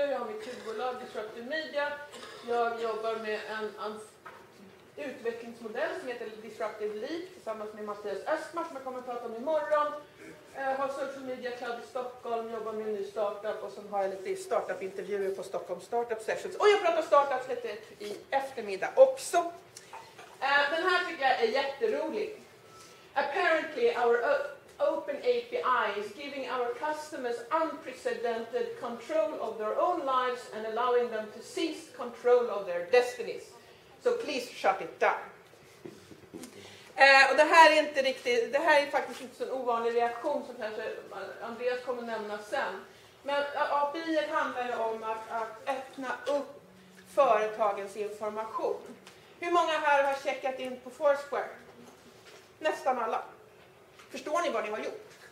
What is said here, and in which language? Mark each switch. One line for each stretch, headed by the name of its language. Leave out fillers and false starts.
Swedish: Jag har mitt huvudbolag Disruptive Media. Jag jobbar med en utvecklingsmodell som heter Disruptive Leap tillsammans med Mattias Östmark, som jag kommer att prata om imorgon. Har Social Media Club i Stockholm, jobbar med en ny startup, och så har jag lite startup-intervjuer på Stockholm Startup Sessions. Och jag pratar startups lite i eftermiddag också. Den här tycker jag är jätterolig.
English: Apparently our open API is giving our customers unprecedented control of their own lives and allowing them to seize control of their destinies. So please shut it down.
Swedish: Och det här är inte riktigt, det här är faktiskt inte en ovanlig reaktion som kanske Andreas kommer nämna sen. Men API handlar ju om att öppna upp företagens information. Hur många här har checkat in på Foursquare? Nästan alla. Förstår ni vad ni har gjort?